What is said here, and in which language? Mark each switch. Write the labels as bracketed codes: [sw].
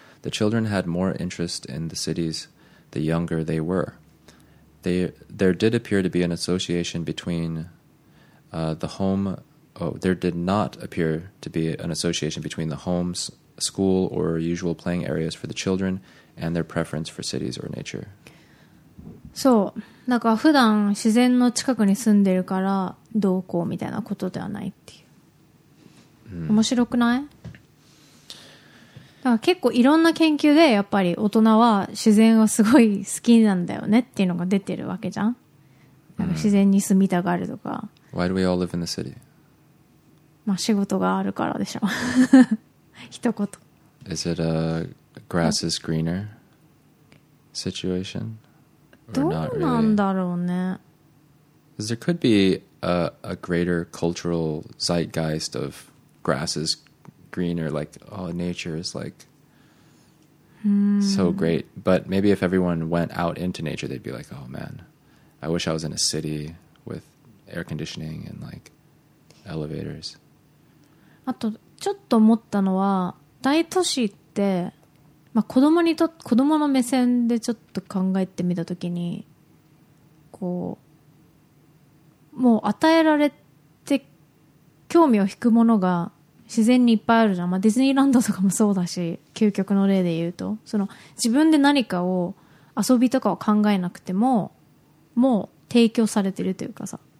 [en] The children had more interest in the cities the younger they were. There did appear to be an association between the homes, school, or usual playing areas for the children and their preference for cities or nature. [ja] そう、なんか普段自然の近くに住んでるからどうこうみたいなことではないっていう。 Mm. 面白くない？だから結構いろんな研究でやっぱり大人は自然はすごい好きなんだよねっていうのが出てるわけじゃん。なんか自然に住みたがるとか。 [en] Why do we all live in the city? [ja] まあ仕事があるからでしょ。一言。 [en] Is it a grass is greener situation? [ja] どうなんだろうね。 [en] There could be a greater cultural zeitgeist of grass is greener, like, oh, nature is like so great. But maybe if everyone went out into nature, they'd be like, oh man, I wish I was in a city with air conditioning and like elevators. [ja] あとちょっと思ったのは、大都市って、まあ、子供の目線でちょっと考えてみたときに、こうもう与えられて興味を引くものが自然にいっぱいあるじゃん、まあ、ディズニーランドとかもそうだし、究極の例で言うと、その自分で何かを遊びとかを考えなくてももう提供されてるというかさ、